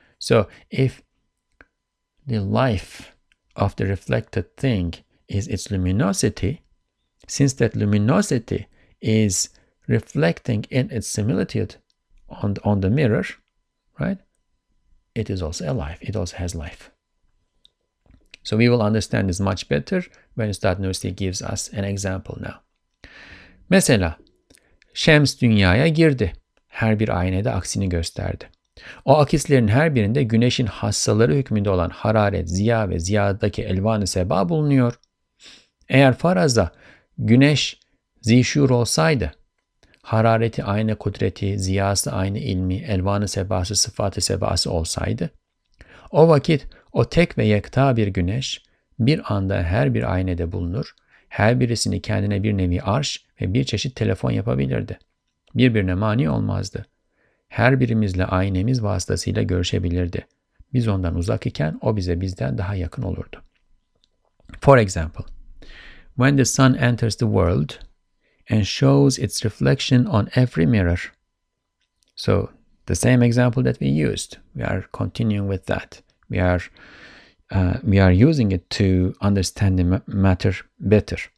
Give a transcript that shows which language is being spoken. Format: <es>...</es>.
<en>So if the life of the reflected thing is its luminosity, since that luminosity is reflecting in its similitude on the mirror, right? It is also alive. It also has life. So we will understand this much better when Üstad Nursi gives us an example now.</en> <tr>Mesela, Şems dünyaya girdi. Her bir aynada aksini gösterdi. O akislerin her birinde güneşin hassaları hükmünde olan hararet, ziya ve ziyadaki elvan-ı seba bulunuyor. Eğer faraza güneş zişur olsaydı, harareti aynı kudreti, ziyası aynı ilmi, elvanı sebası, sıfatı sebası olsaydı, o vakit o tek ve yekta bir güneş bir anda her bir aynede bulunur, her birisini kendine bir nevi arş ve bir çeşit telefon yapabilirdi. Birbirine mani olmazdı. Her birimizle aynemiz vasıtasıyla görüşebilirdi. Biz ondan uzak iken o bize bizden daha yakın olurdu.</tr> <en>For example, when the sun enters the world and shows its reflection on every mirror. So the same example that we used, we are continuing with that. We are using it to understand the matter better.</en>